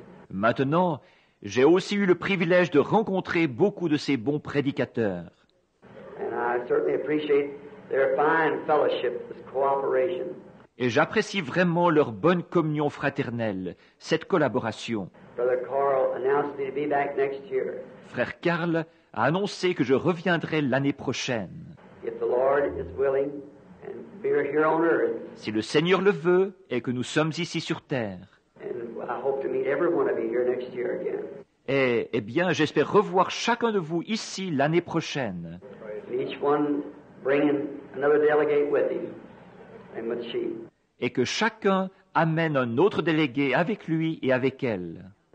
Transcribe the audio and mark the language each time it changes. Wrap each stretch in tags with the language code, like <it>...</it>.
<fr>Maintenant, j'ai aussi eu le privilège de rencontrer beaucoup de ces bons prédicateurs.</fr> <en>And I certainly appreciate their fine fellowship, this cooperation.</en> <fr>Et j'apprécie vraiment leur bonne communion fraternelle, cette collaboration.</fr> <en>Brother Carl announced me to be back next year.</en> <fr>Frère Carl a annoncé que je reviendrai l'année prochaine.</fr> <en>If the Lord is willing, and we are here on earth.</en> <fr>Si le Seigneur le veut et que nous sommes ici sur terre.</fr> <en>And I hope to meet every one of you here next year again.</en> <fr>Et, eh bien, j'espère revoir chacun de vous ici l'année prochaine.</fr> <en>Each one bringing another delegate with him.</en> <fr>Et que chacun amène un autre délégué avec lui et avec elle.</fr>